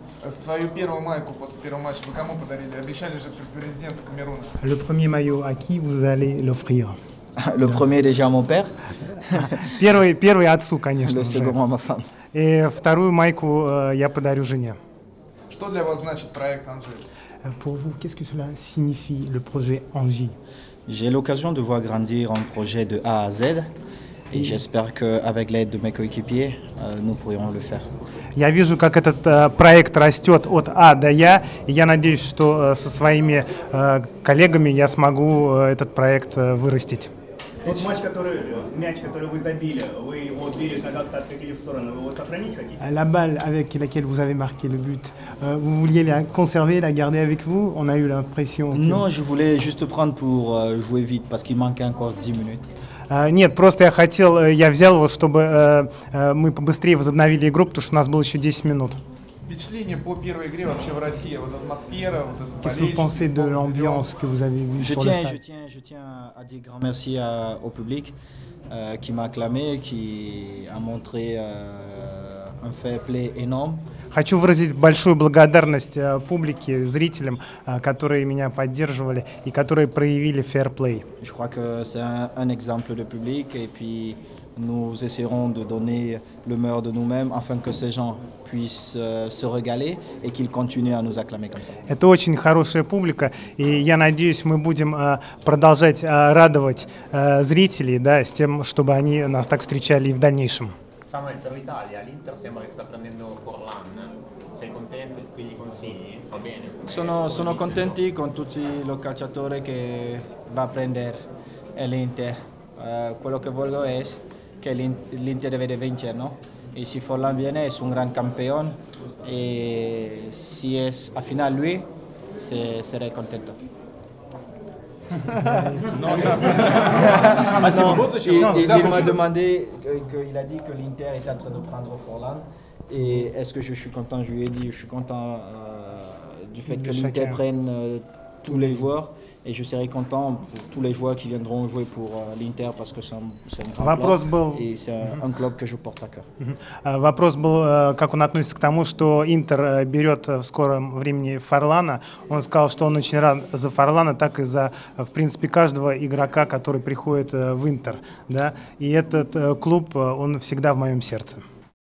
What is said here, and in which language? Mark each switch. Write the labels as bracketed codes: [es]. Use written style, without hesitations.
[ru] свою первую майку после первого матча вы кому подарили? Обещали же президенту Камеруна. [fr] Le premier maillot à qui vous allez l'offrir? Le premier déjà à mon père. [ru] Первый отцу, конечно. [fr] Le second à ma femme. [ru] И вторую майку я подарю жене. Что для вас значит проект Анжи? [fr] Pour vous, qu'est-ce que cela signifie le projet Anji? J'ai l'occasion de voir grandir un projet de A à Z et j'espère qu'avec l'aide de mes coéquipiers, nous pourrions le faire. [ru] Я вижу, как этот проект растет от А до Я, и я надеюсь, что со своими коллегами я смогу этот проект вырастить. Вот матч, мяч, который вы забили, вы его бережно как-то отходили в сторону, вы его сохранить хотите? [fr] La balle avec laquelle vous avez marqué le but, vous vouliez la conserver, la garder avec vous? On a eu l'impression... Non, je voulais juste prendre pour jouer vite, parce qu'il manquait encore 10 minutes. [ru] Нет, просто я взял его, чтобы мы побыстрее возобновили игру, потому что у нас было еще 10 минут. Впечатление по первой игре вообще в России, вот атмосфера, вот этот. [fr] Qu'est-ce que vous pensez de l'ambiance que vous avez vue? Je tiens à dire grand merci au public qui m'a acclamé, qui a montré un fair play énorme. [ru] Хочу выразить большую благодарность публике, зрителям, которые меня поддерживали и которые проявили fair play. [fr] Je crois que c'est un exemple de public et puis nous essaierons de donner le meilleur de nous-mêmes afin que ces gens puissent se régaler et qu'ils continuent à nous acclamer comme ça. [ru] Это очень хорошая публика, и я надеюсь, мы будем продолжать радовать зрителей, да, с тем, чтобы они нас так встречали и в дальнейшем. Самое это в Италии, а [it] l'Inter sembra che sta prendendo Forlan. Sei contento di quegli consigli? Va bene. Sono contenti con tutti i calciatori che va a prendere è l'Inter. Quello che voglio è che l'Inter deve vincere, no? E se Forlan viene è un gran campione e se è a finale lui, sarei contento. [fr] Il m'a demandé, il a dit que l'Inter était en train de prendre Forlan et est-ce que je suis content? Je lui ai dit je suis content du fait que l'Inter prenne tous les joueurs. Et je serai content pour tous les joueurs qui viendront jouer pour l'Inter parce que c'est un grand club et c'est un club que je porte à cœur. [ru] Вопрос был, как он относится к тому, что Интер берет в скором времени Форлана. Он сказал, что он очень рад за Форлана, так и за, в принципе, каждого игрока, который приходит в Интер. Да? И этот клуб, он всегда в моем сердце.